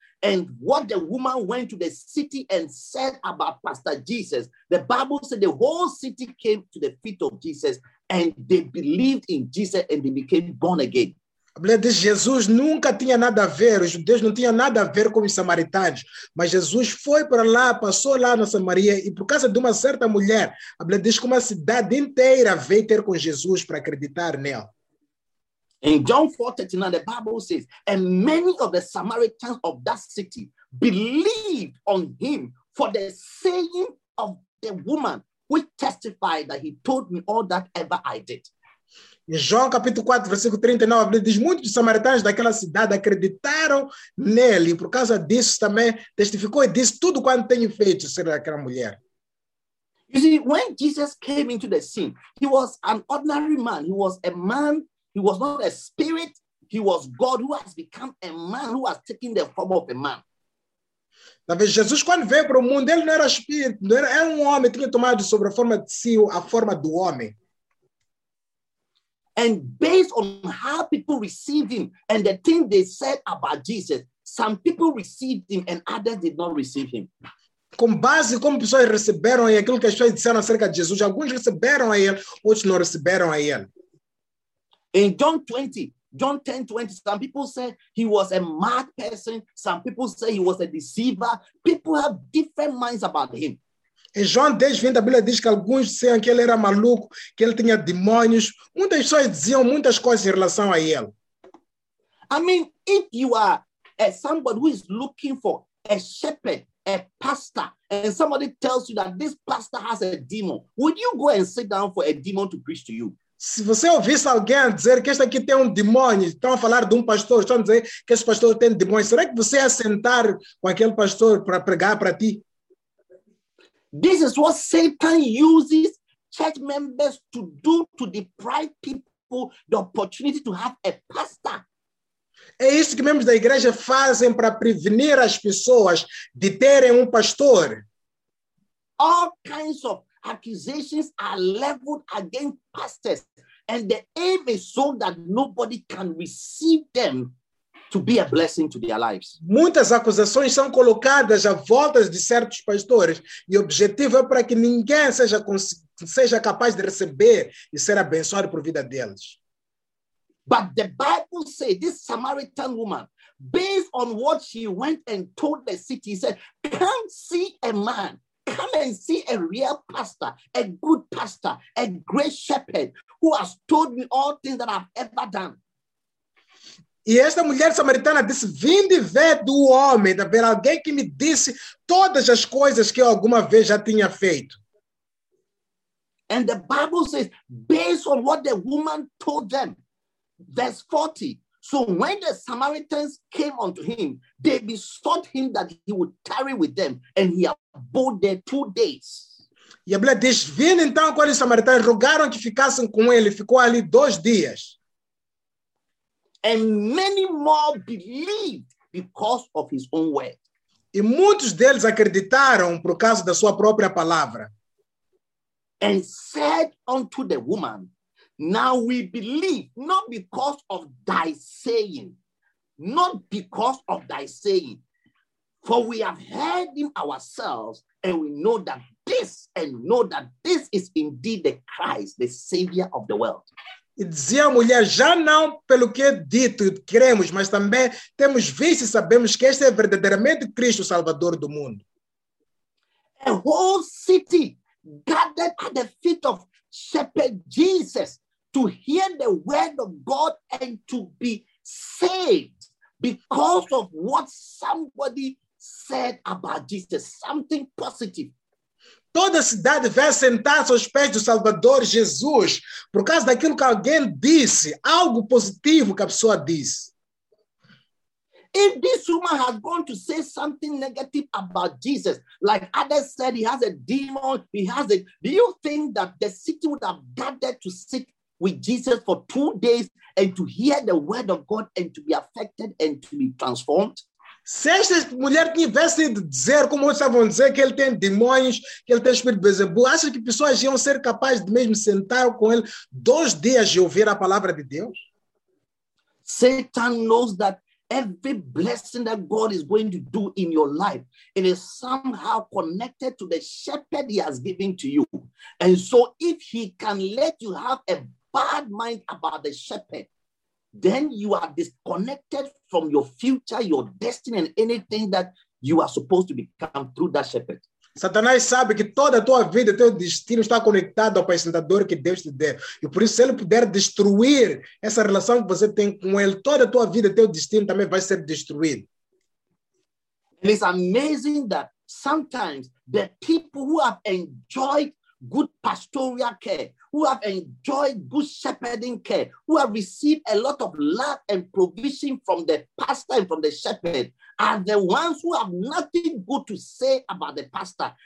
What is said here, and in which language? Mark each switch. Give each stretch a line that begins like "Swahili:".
English: And what the woman went to the city and said about Pastor Jesus, the Bible said the whole city came to the feet of Jesus and they believed in Jesus and they became born again.
Portuguese: A mulher diz que Jesus nunca tinha nada a ver, os judeus não tinham nada a ver com os samaritanos, mas Jesus foi para lá, passou lá na Samaria, e por causa de uma certa mulher, a mulher diz que uma cidade inteira veio ter com Jesus para acreditar nele.
English: In John 4:39, the Bible says, and many of the Samaritans of that city believed on him for the saying of the woman, which testified that he told me all that ever I did.
Portuguese: João capítulo 4, versículo 39, diz, muitos dos samaritanos daquela cidade acreditaram nele, e por causa disso também testificou e disse tudo quanto tenho feito, ser aquela mulher.
English: You see, when Jesus came into the scene, he was an ordinary man. He was a man. He was not a spirit. He was God who has become a man, who has taken the form of a man.
Portuguese: Talvez Jesus, quando veio para o mundo, ele não era espírito, não era, era um homem, tinha tomado sobre a forma de si, a forma do homem.
English: And based on how people received him and the thing they said about Jesus, some people received him and others did not receive him.
Portuguese: Com base em como pessoas receberam e aquilo que as pessoas disseram acerca de Jesus, alguns receberam a ele, outros não receberam a ele. Em
English: John 10:20, some people say he was a mad person, some people say he was a deceiver. People have different minds about him.
Portuguese: Em João 10:20, a Bíblia diz que alguns diziam que ele era maluco, que ele tinha demônios. Muitas pessoas diziam muitas coisas em relação a ele.
English: I mean, if you are somebody who is looking for a shepherd, a pastor, and somebody tells you that this pastor has a demon, would you go and sit down for a demon to preach to you?
Portuguese: Se você ouvisse alguém dizer que este aqui tem demônio, estão a falar de pastor, estão a dizer que esse pastor tem demônio, será que você ia sentar com aquele pastor para pregar para ti?
English: This is what Satan uses church members to do to deprive people the opportunity to have a pastor.
Portuguese: É isso que membros da igreja fazem para prevenir as pessoas de terem pastor.
English: All kinds of accusations are leveled against pastors, and the aim is so that nobody can receive them to be a blessing to their lives.
Portuguese: Muitas acusações são colocadas à volta de certos pastores, e o objetivo é para que ninguém seja capaz de receber e ser abençoado por vida deles.
English: But the Bible says this Samaritan woman, based on what she went and told the city, said, come see a man, come and see a real pastor, a good pastor, a great shepherd, who has told me all things that I've ever done.
Portuguese: E esta mulher samaritana disse, vinde e vê do homem, de ver alguém que me disse todas as coisas que eu alguma vez já tinha feito.
English: And the Bible says, based on what the woman told them, verse 40, so when the Samaritans came unto him, they besought him that he would tarry with them, and he abode there 2 days.
Portuguese: E a Bíblia diz, vindo então com os samaritanos, rogaram que ficassem com ele, ficou ali 2 dias.
English: And many more believed because of his own word.
Portuguese: E muitos deles acreditaram por causa da sua própria palavra.
English: And said unto the woman, now we believe, not because of thy saying, not because of thy saying, for we have heard him ourselves, and we know that this, and know that this is indeed the Christ, the Savior of the world.
Portuguese: E dizia a mulher, já não pelo que é dito, cremos, mas também temos visto e sabemos que este é verdadeiramente Cristo, Salvador do mundo.
English: A whole city gathered at the feet of Shepherd Jesus to hear the word of God and to be saved because of what somebody said about Jesus, something positive.
Portuguese: Toda a cidade vai sentar-se aos pés do Salvador Jesus por causa daquilo que alguém disse, algo positivo que a pessoa disse.
English: If this woman had gone to say something negative about Jesus, like others said, he has a demon, he has a... Do you think that the city would have gathered to sit with Jesus for 2 days and to hear the word of God and to be affected and to be transformed?
Portuguese: Se esta mulher tivesse de dizer, como outros estavam a dizer, que ele tem demônios, que ele tem espírito de Beelzebub, acha que pessoas iam ser capazes de mesmo sentar com ele 2 dias e ouvir a palavra de Deus?
English: Satan knows that every blessing that God is going to do in your life, it is somehow connected to the shepherd he has given to you. And so if he can let you have a bad mind about the shepherd, then you are disconnected from your future, your destiny, and anything that you are supposed to become through that shepherd.
Portuguese: Satanás sabe que toda a tua vida, teu destino está conectado ao apacentador que Deus te deu. E por isso, se ele puder destruir essa relação que você tem com ele, toda a tua vida, teu destino também vai ser destruído.
English: It is amazing that sometimes the people who have enjoyed good pastoral care, who have enjoyed good shepherding care, who have received a lot of love and provision from the pastor and from the shepherd, are the ones who have nothing good to say about the pastor.